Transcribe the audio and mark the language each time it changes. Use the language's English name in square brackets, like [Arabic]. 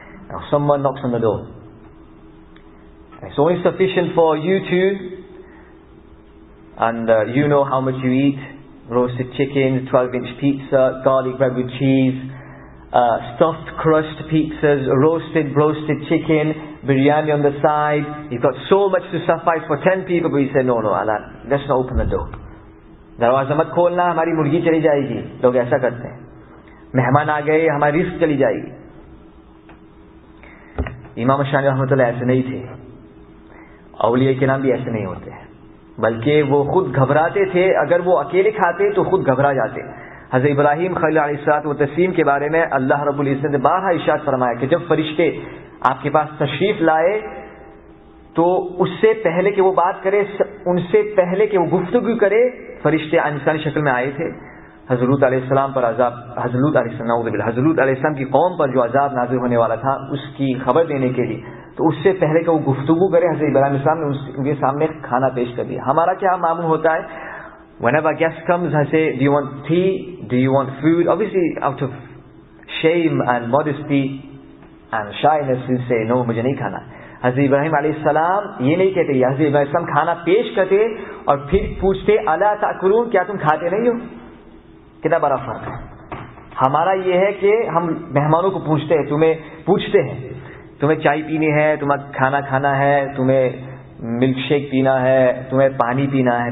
[English] Now someone knocks on the door. It's only sufficient for you two, and you know how much you eat, roasted chicken, 12-inch pizza, garlic bread with cheese, stuffed crust pizzas, roasted chicken, biryani on the side. You've got so much to suffice for 10 people, but you say, no, Alan, let's not open the door. [Urdu] دروازہ مت کھولنا ہماری مرغی چلی جائے گی, لوگ ایسا کرتے ہیں, مہمان آ گئے ہماری رزق چلی جائے گی. امام شاہ رحمۃ اللہ ایسے نہیں تھے, اولیاء کے نام بھی ایسے نہیں ہوتے, بلکہ وہ خود گھبراتے تھے, اگر وہ اکیلے کھاتے تو خود گھبرا جاتے. حضرت ابراہیم خلیل علیہ السلام و تسلیم کے بارے میں اللہ رب العزت نے بارہا ارشاد فرمایا کہ جب فرشتے آپ کے پاس تشریف لائے تو اس سے پہلے کہ وہ بات کرے, ان سے پہلے کہ وہ گفتگو کرے, فرشتے انسانی شکل میں آئے تھے. حضرت علیہ السلام پر عذاب, حضرت علیہ السلام, نعوذ باللہ, حضرت علیہ السلام کی قوم پر جو عذاب نازل ہونے والا تھا اس کی خبر دینے کے لیے, تو اس سے پہلے کہ وہ گفتگو کرے حضرت ابراہیم السلام نے ان کے سامنے کھانا پیش کر دیا. ہمارا کیا معمول ہوتا ہے, [English] whenever a guest comes, I say, do you want tea, do you want food, obviously out of shame and modesty and shyness we say no, [Urdu] مجھے نہیں کھانا. حضرت ابراہیم علیہ السلام یہ نہیں کہتے, حضرت ابراہیم علیہ السلام کھانا پیش کرتے اور پھر پوچھتے [Arabic] الا تاکلون, [Urdu] کیا تم کھاتے نہیں ہو. کتنا بڑا فرق ہے. ہمارا یہ ہے کہ ہم مہمانوں کو پوچھتے ہیں, تمہیں پوچھتے ہیں تمہیں چائے پینی ہے, تمہیں کھانا کھانا ہے, تمہیں ملک شیک پینا ہے, تمہیں پانی پینا ہے.